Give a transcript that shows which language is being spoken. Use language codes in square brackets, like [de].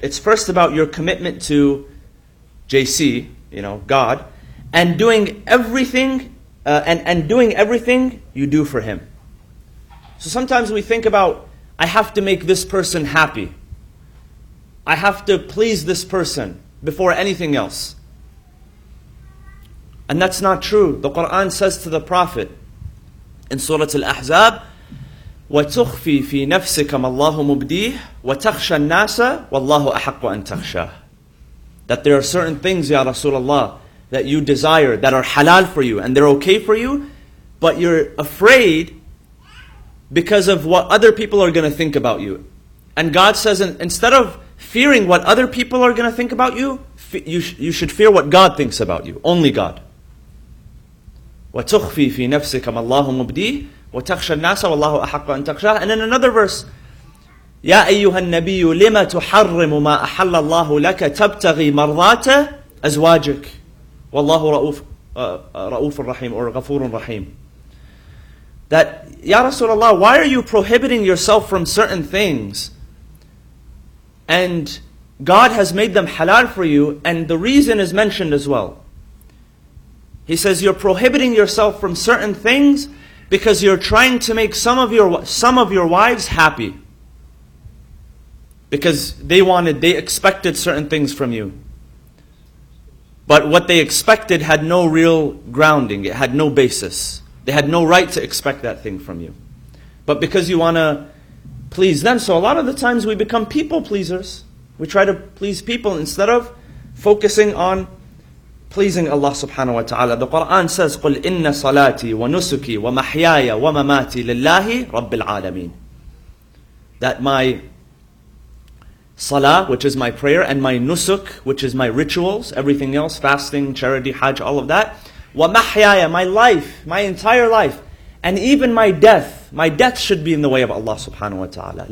[en] It's first about your commitment to JC, God, and doing everything, and doing everything you do for him. So sometimes we think about, I have to make this person happy. I have to please this person before anything else. And that's not true. The Quran says to the Prophet in Surah Al-Ahzab, [ar] وَتُخْفِي فِي نَفْسِكَ مَا اللَّهُ مُبْدِيهِ وَتَخْشَى النَّاسَ وَاللَّهُ أَحَقُّ أَن تَخْشَاهُ. [en] That there are certain things, Ya Rasulullah, that you desire, that are halal for you, and they're okay for you, but you're afraid because of what other people are going to think about you. And God says, instead of fearing what other people are going to think about you, you should fear what God thinks about you, only God. [ar] وَتُخْفِي فِي نَفْسِكَ مَا اللَّهُ مُبْدِيهِ وَتَخْشَى النَّاسَ وَاللَّهُ أَحَقَّ أَن تَخْشَاهُ. [en] And in another verse, [ar] يَا أَيُّهَا النَّبِيُّ لِمَ تُحَرِّمُ مَا أَحَلَّ اللَّهُ لَكَ تَبْتَغِي مَرْضَاتَ أَزْوَاجِكَ وَاللَّهُ رَؤُوفٌ رَحِيمٌ or غَفُورٌ رَحِيمٌ. [en] That, Ya Rasulullah, why are you prohibiting yourself from certain things? And God has made them halal for you, and the reason is mentioned as well. He says, you're prohibiting yourself from certain things because you're trying to make some of your wives happy. Because they expected certain things from you. But what they expected had no real grounding. It had no basis. They had no right to expect that thing from you. But because you want to please them. So a lot of the times we become people pleasers. We try to please people instead of focusing on pleasing Allah subhanahu wa ta'ala. The Quran says, [ar] قُلْ إِنَّ صَلَاتِي وَنُسُكِي وَمَحْيَايَ وَمَمَاتِي لِلَّهِ رَبِّ الْعَالَمِينَ. [en] That my salah, which is my prayer, and my nusuk, which is my rituals, everything else, fasting, charity, hajj, all of that. [ar] وَمَحْيَايَ, [en] my life, my entire life, and even my death should be in the way of Allah subhanahu wa ta'ala.